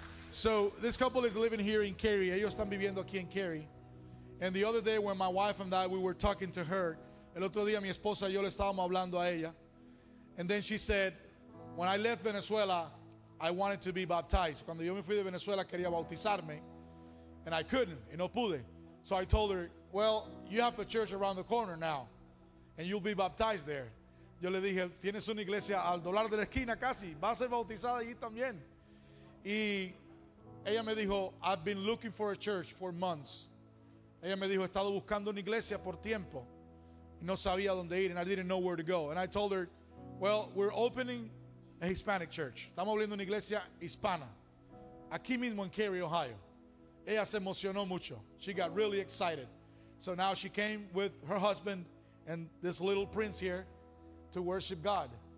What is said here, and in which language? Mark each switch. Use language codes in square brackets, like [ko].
[en] So this couple is living here in Cary. [es] Ellos están viviendo aquí en Cary. [en] And the other day when my wife and I, we were talking to her. [es] El otro día mi esposa y yo le estábamos hablando a ella. [en] And then she said, when I left Venezuela, I wanted to be baptized. [es] Cuando yo me fui de Venezuela, quería bautizarme. [en] And I couldn't, [es] y no pude. [en] So I told her, well, you have a church around the corner now. And you'll be baptized there. [es] Yo le dije, tienes una iglesia al doblar de la esquina casi. Va a ser bautizada allí también. Y ella me dijo, [en] I've been looking for a church for months. [es] Ella me dijo, he estado buscando una iglesia por tiempo. No sabía dónde ir, [en] and I didn't know where to go. And I told her, well, we're opening a Hispanic church. [es] Estamos abriendo una iglesia hispana. Aquí mismo en Cary, Ohio. Ella se emocionó mucho. [en] She got really excited. So now she came with her husband and this little prince here to worship God.